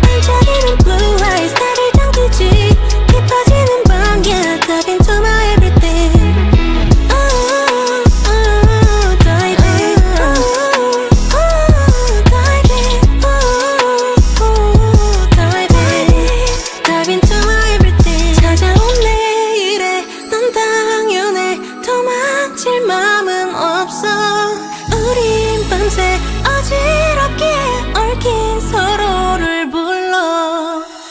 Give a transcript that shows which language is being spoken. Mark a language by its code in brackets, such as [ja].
[ko] 반짝이는 [en] blue eyes [ko] 나를 당기지 깊어지는 밤. [en] Yeah, dive into my everything. Oh, diving. Oh, diving. Oh, diving. Dive into my everything. [ko] 찾아온 내일에 넌 당연해. 망칠 맘은 없어. 우린 밤새 어지럽게 얽힌 서로를 불러.